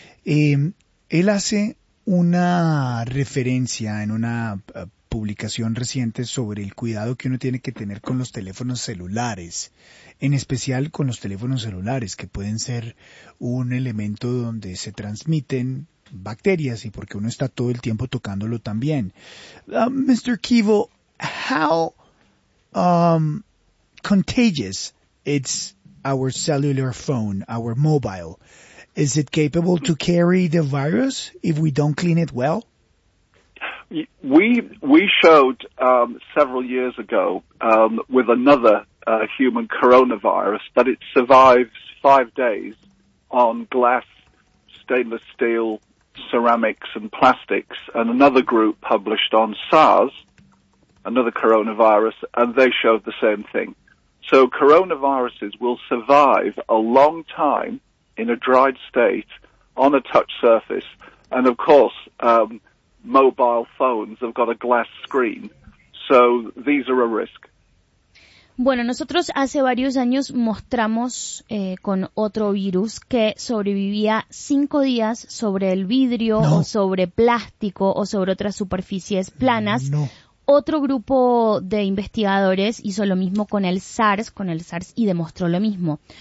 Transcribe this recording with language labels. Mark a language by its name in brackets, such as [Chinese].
[Spanish] Él hace una referencia en una publicación reciente sobre el cuidado que uno tiene que tener con los teléfonos celulares, en especial con los teléfonos celulares, que pueden ser un elemento donde se transmiten bacterias y porque uno está todo el tiempo tocándolo también. [English] Mr. Kivo, how contagious it's our cellular phone, our mobile, is it capable to carry the virus if we don't clean it well? We showed several years ago with another human coronavirus that it survives 5 days on glass, stainless steel, ceramics and plastics, and another group published on SARS, another coronavirus, and they showed the same thing. So coronaviruses will survive a long time in a dried state on a touch surface. And, of course, mobile phones have got a glass screen. So these are a risk. [Spanish] Bueno, nosotros hace varios años mostramos con otro virus que sobrevivía 5 días sobre el vidrio no. o sobre plástico o sobre otras superficies planas. No. Otro grupo de investigadores hizo lo mismo con el SARS y demostró lo mismo.